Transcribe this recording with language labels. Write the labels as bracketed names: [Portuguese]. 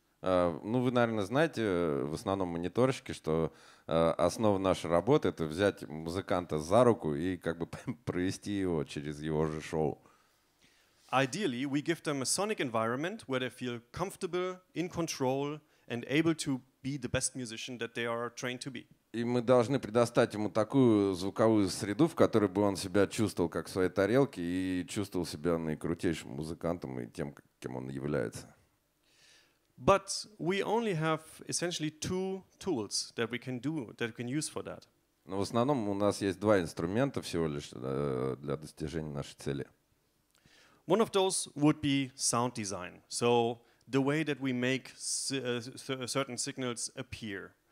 [Russian] Ну, вы, наверное, знаете, в основном мониторщики, что основа нашей работы — это взять музыканта за руку и как бы провести его через его же шоу. [English] Ideally, we give them a sonic environment where they feel comfortable, in control, and able to be the best musician that they are trained to be. [Russian] И мы должны предоставить ему такую звуковую среду, в которой бы он себя чувствовал как в своей тарелке и чувствовал себя наикрутейшим музыкантом и тем, кем он является. [English] But we only have essentially two tools that we can do, that we can use for that. [Russian] Но в основном у нас есть два инструмента всего лишь для достижения нашей цели. [English] One of those would be sound design. So the way that we make certain signals appear.